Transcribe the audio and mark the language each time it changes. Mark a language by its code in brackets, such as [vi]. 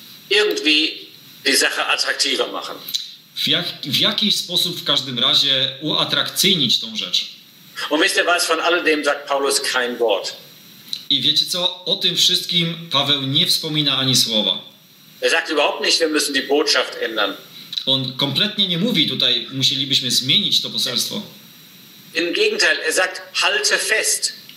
[de] Irgendwie die Sache attraktiver machen. [pl] W jakiś sposób w każdym razie uatrakcyjnić tą rzecz. [de] Und wisst ihr was, von alledem sagt Paulus kein Wort. [pl] I wiecie co, o tym wszystkim Paweł nie wspomina ani słowa. [de] Er sagt überhaupt nicht, wir müssen die Botschaft ändern. [pl] On kompletnie nie mówi tutaj, musielibyśmy zmienić to poselstwo. [de] Im Gegenteil, er sagt, halte fest.